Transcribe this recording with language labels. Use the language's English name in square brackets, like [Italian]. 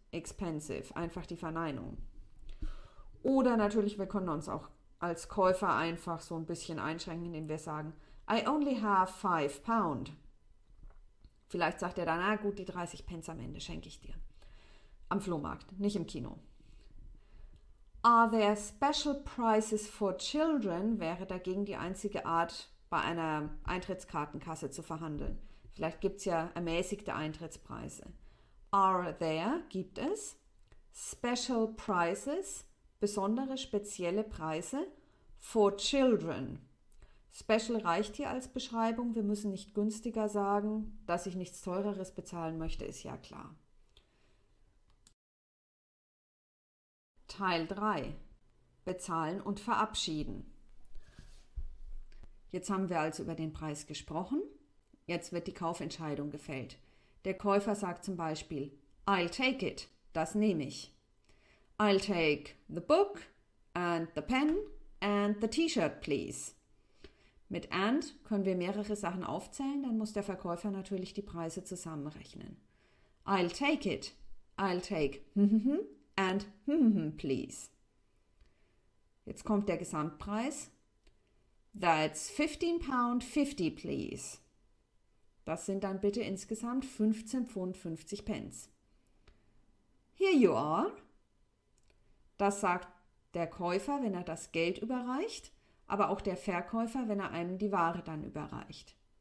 [English] expensive, [German] einfach die Verneinung. Oder natürlich, wir können uns auch als Käufer einfach so ein bisschen einschränken, indem wir sagen, [English] I only have 5 pounds. [German] Vielleicht sagt er dann, na gut, die 30 Pence am Ende schenke ich dir. Am Flohmarkt, nicht im Kino. [English] Are there special prices for children? [German] Wäre dagegen die einzige Art, bei einer Eintrittskartenkasse zu verhandeln. Vielleicht gibt es ja ermäßigte Eintrittspreise. [English] Are there, [German] gibt es, [English] special prices, [German] besondere, spezielle Preise [English] for children? [German] Special reicht hier als Beschreibung. Wir müssen nicht günstiger sagen. Dass ich nichts Teureres bezahlen möchte, ist ja klar. Teil 3. Bezahlen und verabschieden. Jetzt haben wir also über den Preis gesprochen. Jetzt wird die Kaufentscheidung gefällt. Der Käufer sagt zum Beispiel, [English] I'll take it, [German] das nehme ich. [English] I'll take the book and the pen and the T-shirt, please. [German] Mit and können wir mehrere Sachen aufzählen, dann muss der Verkäufer natürlich die Preise zusammenrechnen. [English] I'll take it, I'll take and please. [German] Jetzt kommt der Gesamtpreis. [English] That's 15 pound 50, please. [German] Das sind dann bitte insgesamt 15 Pfund 50 Pence. [English] Here you are. [German] Das sagt der Käufer, wenn er das Geld überreicht, aber auch der Verkäufer, wenn er einem die Ware dann überreicht.